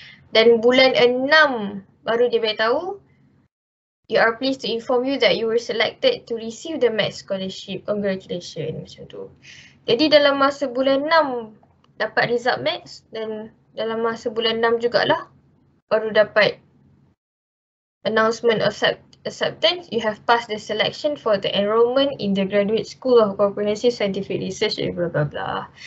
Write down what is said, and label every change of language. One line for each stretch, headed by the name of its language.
Malay: Dan bulan 6 baru dia beritahu,
English: you are pleased to inform you that you were selected to receive the med scholarship.
Malay: Congratulations. Macam tu. Jadi dalam masa bulan 6 dapat result med dan dalam masa bulan 6 jugalah baru dapat announcement of acceptance.
English: You have passed the selection for the enrollment in the Graduate School of Comprehensive Scientific Research and blah blah blah.